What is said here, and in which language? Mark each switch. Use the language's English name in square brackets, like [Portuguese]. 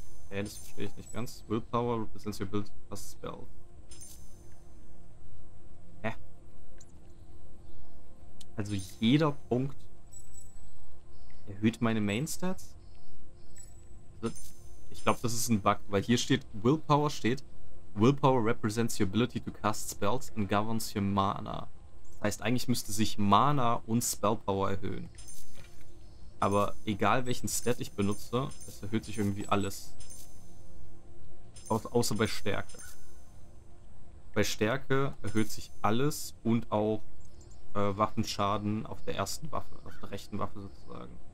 [German] Hey, das verstehe ich nicht ganz. [English] Willpower represents your build plus spell. Hä? [German] Also jeder Punkt erhöht meine Main Stats? Ich glaube, das ist ein Bug, weil hier steht, Willpower steht, [English] Willpower represents your ability to cast spells and governs your Mana. [German] Das heißt, eigentlich müsste sich Mana und Spellpower erhöhen. Aber egal welchen Stat ich benutze, es erhöht sich irgendwie alles. Außer bei Stärke. Bei Stärke erhöht sich alles und auch Waffenschaden auf der ersten Waffe, auf der rechten Waffe sozusagen.